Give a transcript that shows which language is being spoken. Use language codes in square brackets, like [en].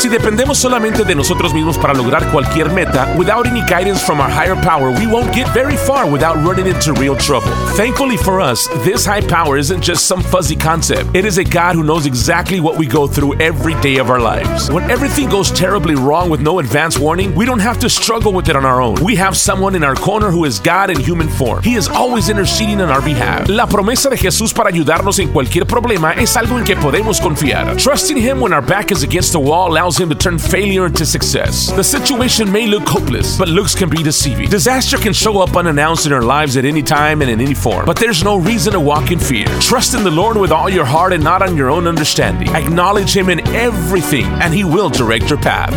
[es] Si dependemos solamente de nosotros mismos para lograr cualquier meta, [en] without any guidance from our higher power, we won't get very far without running into real trouble. Thankfully for us, this high power isn't just some fuzzy concept. It is a God who knows exactly what we go through every day of our lives. When everything goes terribly wrong with no advance warning, we don't have to struggle with it on our own. We have someone in our corner who is God in human form. He is always interceding on our behalf. [es] La promesa de Jesús para ayudarnos en cualquier problema es algo en que podemos confiar. [en] Trusting Him when our back is against the wall allows Him to turn failure into success. The situation may look hopeless, but looks can be deceiving. Disaster can show up unannounced in our lives at any time and in any form, but there's no reason to walk in fear. Trust in the Lord with all your heart and not on your own understanding. Acknowledge Him in everything, and He will direct your path.